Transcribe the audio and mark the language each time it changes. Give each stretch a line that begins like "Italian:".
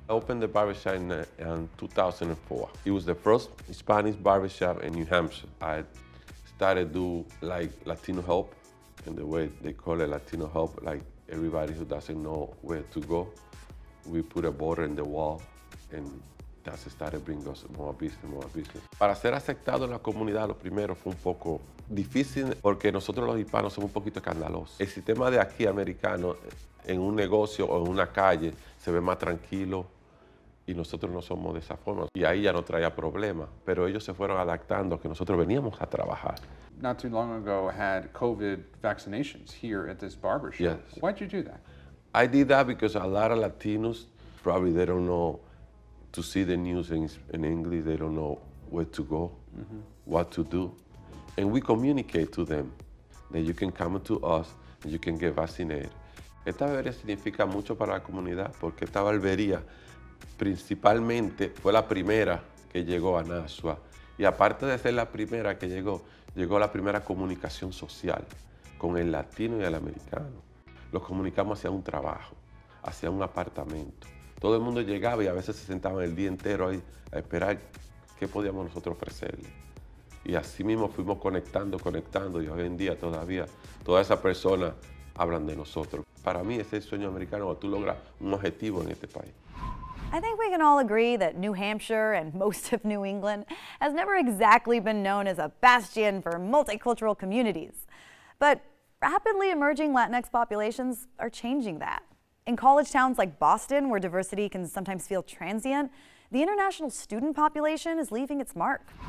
English: I opened the barbershop in 2004. It was the first Spanish barbershop in New Hampshire. I started do like Latino help, and the way they call it Latino help, like everybody who doesn't know where to go, we put a border in the wall, and that started bringing us more business.
Spanish: Para ser aceptado en la comunidad, lo primero fue un poco difícil, porque nosotros los hispanos somos un poquito escandalosos. El sistema de aquí americano, en un negocio o en una calle, se ve más tranquilo, y nosotros no somos de esa forma. Y ahí ya no traía problemas, pero ellos se fueron adaptando, que nosotros veníamos a trabajar.
English: Not too long ago, I had COVID vaccinations here at this barbershop. Yes. Why did you do that? I did that because a lot of Latinos, probably they don't know to see the news in English, they don't know where to go, what to do. And we communicate to them that you can come to us and you can get vaccinated.
Spanish: Esta barbería significa mucho para la comunidad porque esta barbería principalmente fue la primera que llegó a Nashua. Y aparte de ser la primera que llegó, llegó la primera comunicación social. con el latino y el americano. Los comunicamos hacia un trabajo, hacia un apartamento. Todo el mundo llegaba y a veces se sentaban el día entero ahí a esperar qué podíamos nosotros ofrecerle. Y así mismo fuimos conectando y hoy en día todavía todas esas personas hablan de nosotros. Para mí ese es el sueño americano, tú logras un objetivo en este país.
English: I think we can all agree that New Hampshire and most of New England has never exactly been known as a bastion for multicultural communities. But rapidly emerging Latinx populations are changing that. In college towns like Boston, where diversity can sometimes feel transient, the international student population is leaving its mark.